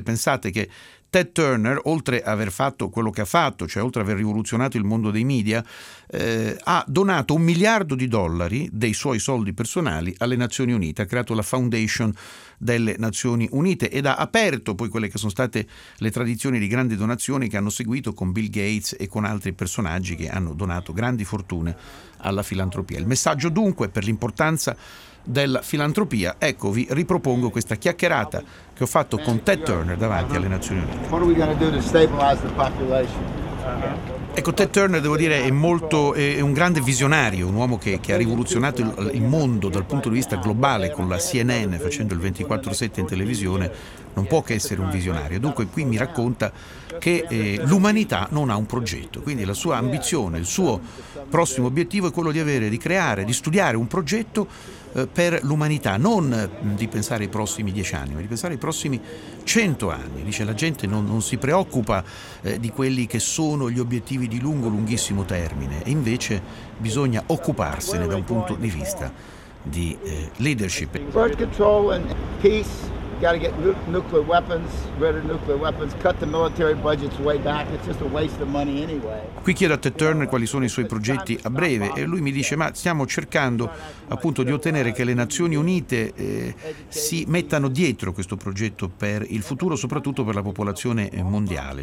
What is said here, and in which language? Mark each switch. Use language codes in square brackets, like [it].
[it] Pensate che Ted Turner, oltre ad aver fatto quello che ha fatto, cioè oltre ad aver rivoluzionato il mondo dei media, ha donato $1 miliardo dei suoi soldi personali alle Nazioni Unite, ha creato la Foundation delle Nazioni Unite ed ha aperto poi quelle che sono state le tradizioni di grande donazione che hanno seguito con Bill Gates e con altri personaggi che hanno donato grandi fortune alla filantropia. Il messaggio dunque per l'importanza della filantropia, ecco, vi ripropongo questa chiacchierata che ho fatto con Ted Turner davanti alle Nazioni Unite. [en] What are we going to do to stabilize the population? [it] Ecco, Ted Turner, devo dire, è un grande visionario, un uomo che ha rivoluzionato il mondo dal punto di vista globale con la CNN, facendo il 24/7 in televisione, non può che essere un visionario. Dunque qui mi racconta che l'umanità non ha un progetto, quindi la sua ambizione, il suo prossimo obiettivo è quello di studiare un progetto per l'umanità, non di pensare ai prossimi 10 anni, ma di pensare ai prossimi 100 anni. Dice, la gente non si preoccupa di quelli che sono gli obiettivi di lunghissimo termine, e invece bisogna occuparsene da un punto di vista di leadership. [en] Birth control and peace, gotta get nuclear weapons, rid of nuclear weapons, cut the military budgets way back, it's just a waste of money anyway. [it] Qui chiedo a Ted Turner quali sono i suoi progetti a breve, e lui mi dice, ma stiamo cercando appunto di ottenere che le Nazioni Unite si mettano dietro questo progetto per il futuro, soprattutto per la popolazione mondiale.